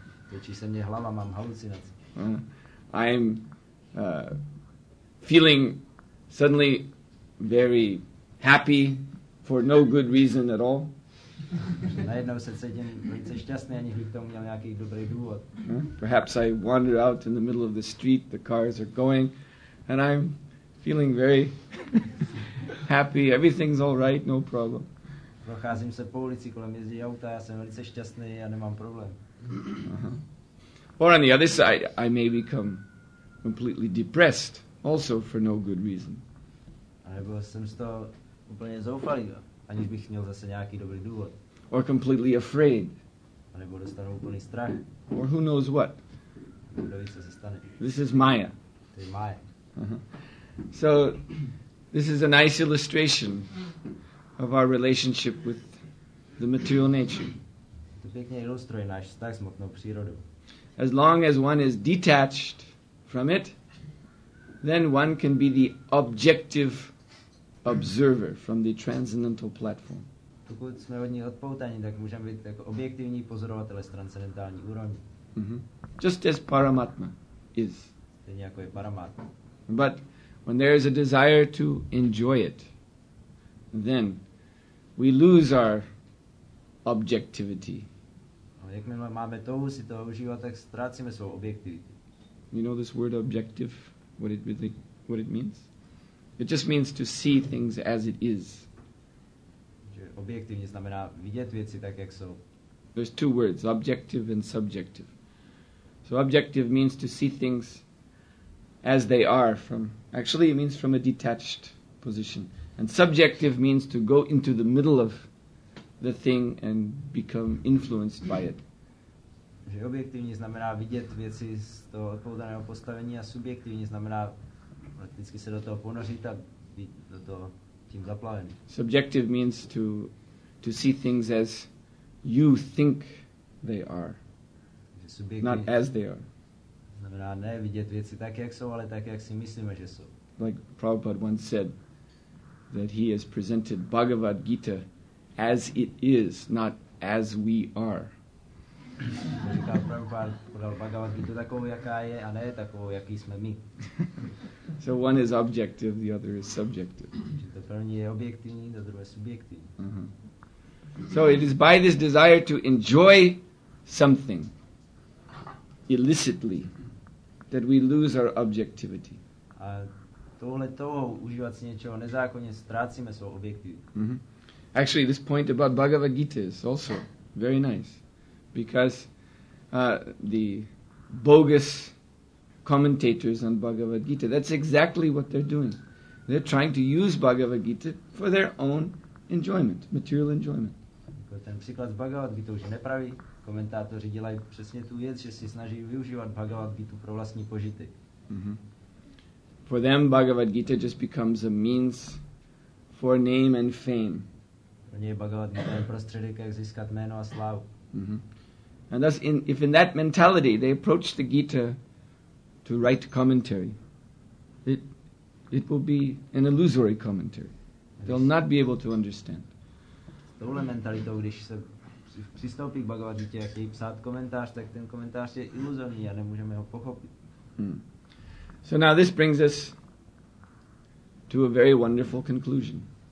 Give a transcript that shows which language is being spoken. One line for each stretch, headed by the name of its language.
Czech: Točí se mě hlava, mám halucinace.
English: I'm feeling suddenly very happy for no good reason at all.
Czech: Najednou se cítím velice šťastný, aniž bych tomu měl nějaký dobrý důvod.
English: Perhaps I wander out in the middle of the street, the cars are going, and I'm feeling very happy, everything's all right, no problem.
Czech: Procházím se po ulici, kolem jezdí auta, já jsem velice šťastný a nemám problém.
English: Or on the other side, I may become completely depressed, also for no good reason.
Czech: Nebo jsem z toho úplně zoufalý, aniž bych měl zase nějaký dobrý důvod.
English: Or completely afraid.
Czech: A nebo dostanu úplný strach.
English: Or who knows what.
Czech: Kdo ví, co se stane.
English: This is Maya.
Czech: To je Maya.
English: So, this is a nice illustration of our relationship with the material nature.
Czech: To pěkně ilustruje náš vztah s hmotnou přírodou.
English: As long as one is detached from it, then one can be the objective observer from the transcendental platform.
Czech: Pokud jsme od ní odpoutaní, tak můžeme být jako objektivní pozorovatelé z transcendentální úrovni.
English: Mm-hmm. Just as Paramatma is.
Czech: Stejně jako je Paramatma.
English: But when there is a desire to enjoy it, then we lose our objectivity.
Czech: Ale jakmile máme touhu si toho užívat, tak ztrácíme svou objektivitu.
English: You know this word objective, what it means? It just means to see things as it is.
Czech: Objektivně znamená vidět věci tak, jak jsou.
English: There's two words, objective and subjective. So objective means to see things as they are, from actually it means from a detached position, And subjective means to go into the middle of the thing and become influenced by it.
Czech: Že objektivní znamená vidět věci z toho odpovedaného postavení a subjektivní znamená prakticky se do toho ponořit a být do toho tím zaplavený.
English: Subjective means to see things as you think they are, not as they are.
Czech: Znamená ne vidět věci tak, jak jsou, ale tak, jak si myslíme, že jsou.
English: Like Prabhupada once said, that he has presented Bhagavad Gita as it is, not as we are.
Czech: Říká Prabhupada, podal Bhagavad Gita takovou, jaká je, a ne takovou, jaký jsme my.
English: So one is objective, the other is subjective.
Czech: To první je objektivní, to druhé subjektivní.
English: So it is by this desire to enjoy something illicitly that we lose our objectivity.
Czech: A tohle toho, užívat si něčeho nezákonně, ztrácíme svou objektivitu.
English: Actually, this point about Bhagavad Gita is also very nice, because the bogus commentators on Bhagavad Gita, that's exactly what they're doing. They're trying to use Bhagavad Gita for their own enjoyment, material enjoyment.
Czech: Ten příklad z Bhagavad Gita už nepraví. Komentátoři dělají přesně tu věc, že si snaží využívat Bhagavad Gita pro vlastní požitek.
English: For them, Bhagavad Gita just becomes a means for name and fame.
Czech: Pro ně je Bhagavad Gita prostředek, jak získat jméno a slávu.
English: And thus, if in that mentality they approach the Gita to write commentary, it will be an illusory commentary. They'll not be able to understand.
Czech: S touhle mentalitou, když se přistoupí k Bhagavad Gita, jak jej psát komentář, tak ten komentář je iluzorní a nemůžeme ho pochopit.
English: So now this brings us to a very wonderful conclusion.